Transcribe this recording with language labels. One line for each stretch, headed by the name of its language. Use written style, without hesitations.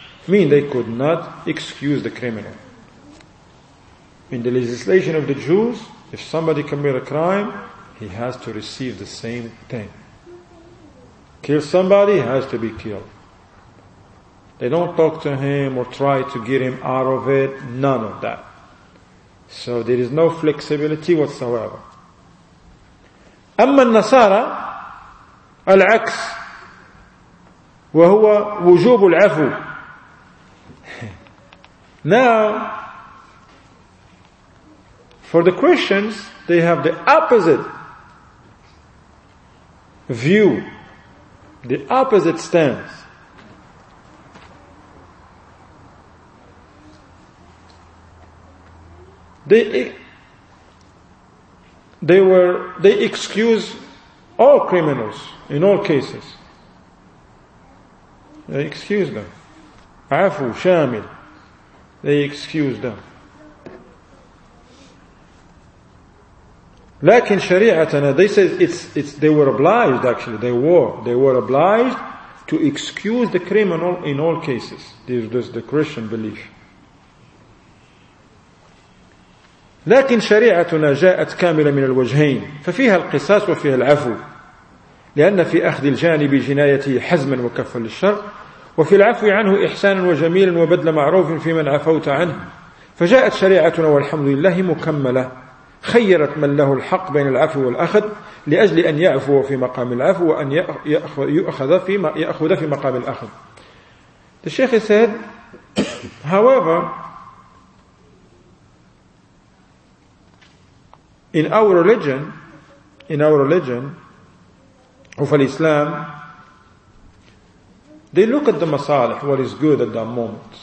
English: Mean they could not excuse the criminal. In the legislation of the Jews, if somebody commit a crime, he has to receive the same thing. Kill somebody, he has to be killed. They don't talk to him or try to get him out of it, none of that. So there is no flexibility whatsoever.
Arabic: أما النصارى العكس وهو وجوب العفو.
English: Now, for the Christians, they have the opposite view, the opposite stance. They they excuse all criminals in all cases. They excuse them.
Arabic: Afu, Shamil.
English: They excuse them.
Arabic: Lakin Shari'atana,
English: they say it's they were obliged actually, they were obliged to excuse the criminal in all cases. This is the Christian belief.
Arabic: لكن شريعتنا جاءت كاملة من الوجهين ففيها القصاص وفيها العفو لأن في أخذ الجانب جنايته حزما وكفا للشر وفي العفو عنه إحسانا وجميلا وبدل معروف في من عفوت عنه فجاءت شريعتنا والحمد لله مكملة خيرت من له الحق بين العفو والأخذ لأجل أن يعفو في مقام العفو وأن يأخذ في مقام الأخذ.
English: The Sheikh said, however, in our religion, of Islam, they look at the masalih, what is good at that moment.